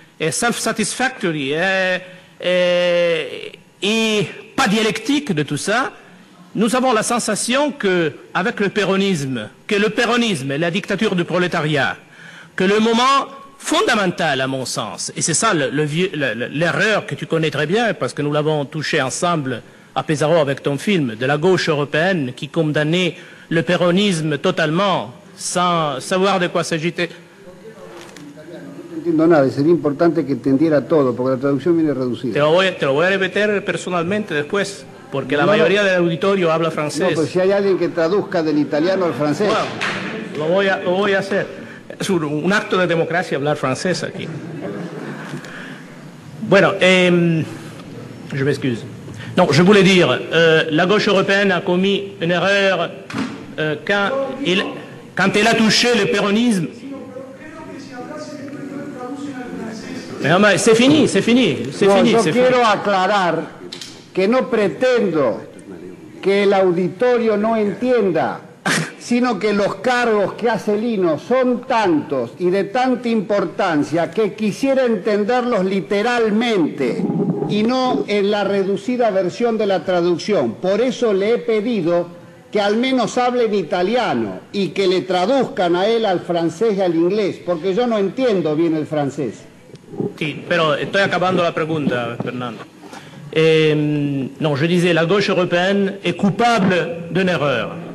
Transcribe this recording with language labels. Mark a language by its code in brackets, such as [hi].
[fr] self-satisfactory et pas dialectique de tout ça, nous avons la sensation que, avec le péronisme, que le péronisme est la dictature du prolétariat, que le moment fondamental, à mon sens, et c'est ça l'erreur que tu connais très bien, parce que nous l'avons touché ensemble à Pesaro avec ton film, de la gauche européenne qui condamnait le péronisme totalement, sans savoir de quoi s'agitait. [es] No entiendo nada, sería importante que entendiera todo, porque la traducción viene reducida. Te lo voy a repetir personalmente después, porque la mayoría del auditorio habla francés. No, pero si hay alguien que traduzca del italiano al francés. Bueno, lo voy a hacer. Es un acto de democracia hablar francés aquí. Bueno, [fr] je m'excuse. No, je voulais dire, la gauche européenne a commis une erreur quand elle a touché le péronisme. C'est fini. [es] Quiero aclarar que no pretendo que el auditorio no entienda, sino que los cargos que hace Lino son tantos y de tanta importancia que quisiera entenderlos literalmente y no en la reducida versión de la traducción. Por eso le he pedido que al menos hable en italiano y que le traduzcan a él al francés y al inglés, porque yo no entiendo bien el francés. Sí, pero estoy acabando la pregunta, Fernando. [fr] Non, je disais, la gauche européenne est coupable d'une erreur.